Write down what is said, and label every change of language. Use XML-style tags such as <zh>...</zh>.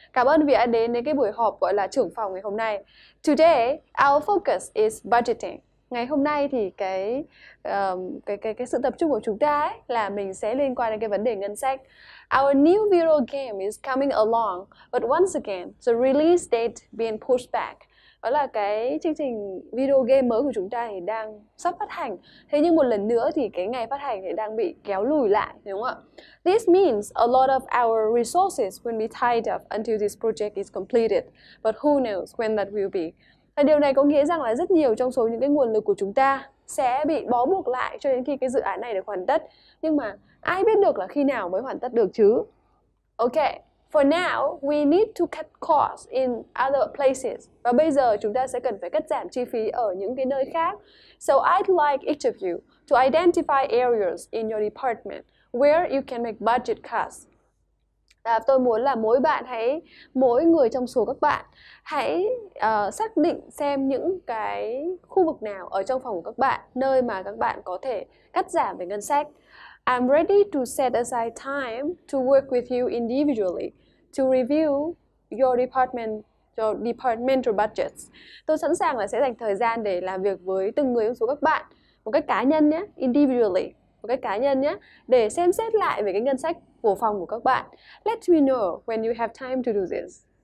<vi>Cảm ơn vì đã đến cái buổi họp gọi là trưởng phòng ngày hôm nay.</vi> <en>Today, our focus is budgeting.</en> <vi>Ngày hôm nay thì cái sự tập trung của chúng ta ấy là mình sẽ liên quan đến cái vấn đề ngân sách.</vi> <en>Our new video game is coming along, but once again, the release date being pushed back.</en> <vi>đó là cái chương trình video game mới của chúng ta thì đang sắp phát hành. Thế nhưng một lần nữa thì cái ngày phát hành thì đang bị kéo lùi lại, đúng không ạ?</vi> <en>This means a lot of our resources will be tied up until this project is completed. But who knows when that will be?</en> <vi>Và điều này có nghĩa rằng là rất nhiều trong số những cái nguồn lực của chúng ta sẽ bị bó buộc lại cho đến khi cái dự án này được hoàn tất. Nhưng mà ai biết được là khi nào mới hoàn tất được chứ? Okay.</vi> <en>For now, we need to cut costs in other places.</en> <vi>Và bây giờ chúng ta sẽ cần phải cắt giảm chi phí ở những cái nơi khác.</vi> <en>So I'd like each of you to identify areas in your department where you can make budget cuts.</en> <vi>À, tôi muốn là mỗi bạn hãy, mỗi người trong số các bạn hãy xác định xem những cái khu vực nào ở trong phòng của các bạn, nơi mà các bạn có thể cắt giảm về ngân sách.</vi> <en>I'm ready to set aside time to work with you individually to review your departmental budgets.</en> <vi>Tôi sẵn sàng là sẽ dành thời gian để làm việc với từng người trong số các bạn một cách cá nhân nhé, individually, một cách cá nhân nhé, để xem xét lại về cái ngân sách của phòng của các bạn.</vi> <en>Let me know when you have time to do this.</en>